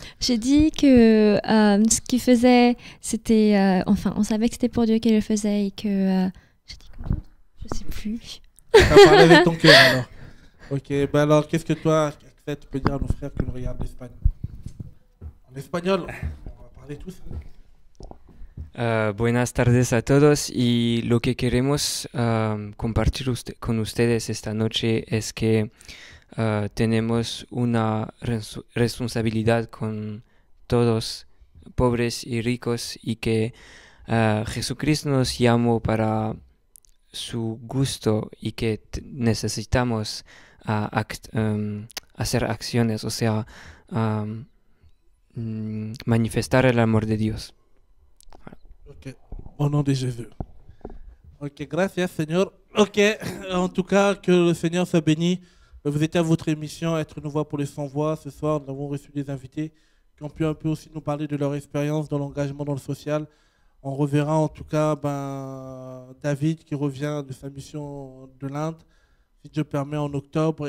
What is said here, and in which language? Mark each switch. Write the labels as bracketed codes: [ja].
[fr] J'ai dit que ce qu'il faisait, c'était, enfin, on savait que c'était pour Dieu qu'il le faisait et que, j'ai dit comment? Je ne sais plus. T'as parlé avec ton cœur alors. Ok, ben alors qu'est-ce que toi, Axel, tu peux dire à nos frères qui nous regardent l'Espagne? En espagnol, on va parler tous. [es] Buenas tardes a todos y lo que queremos compartir con ustedes esta noche es que tenemos una responsabilidad con todos, pobres y ricos, y que Jesucristo nos llamó para su gusto y que necesitamos hacer acciones, o sea, manifestar el amor de Dios. [fr] Ok, au nom de Jésus. Ok, [es] gracias, Señor. [fr] Ok, en tout cas, que le Seigneur soit béni. Vous étiez à votre émission, Être une voix pour les sans-voix. Ce soir, nous avons reçu des invités qui ont pu un peu aussi nous parler de leur expérience dans l'engagement dans le social. On reverra en tout cas David qui revient de sa mission de l'Inde, si Dieu permet, en octobre.